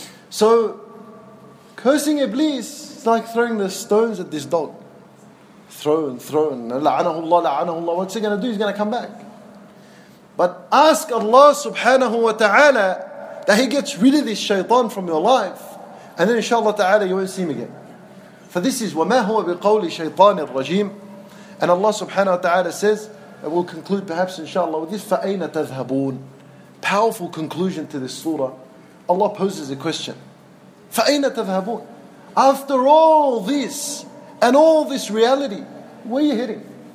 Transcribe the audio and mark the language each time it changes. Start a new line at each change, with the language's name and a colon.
English: So, cursing Iblis is like throwing the stones at this dog. Throw and throw and la'anahu Allah, la'anahu Allah. What's he going to do? He's going to come back. But ask Allah subhanahu wa ta'ala that he gets rid of this shaitan from your life, and then inshallah ta'ala you won't see him again. For this is
Arabic: وَمَا هُوَ بِقَوْلِ شَيْطَانِ الرَّجِيمِ.
English: And Allah subhanahu wa ta'ala says, and we'll conclude perhaps inshallah with this,
Arabic: فَأَيْنَ تَذْهَبُونَ.
English: Powerful conclusion to this surah. Allah poses a question.
Arabic: فَأَيْنَ تَذْهَبُونَ.
English: After all this, and all this reality, where are you heading?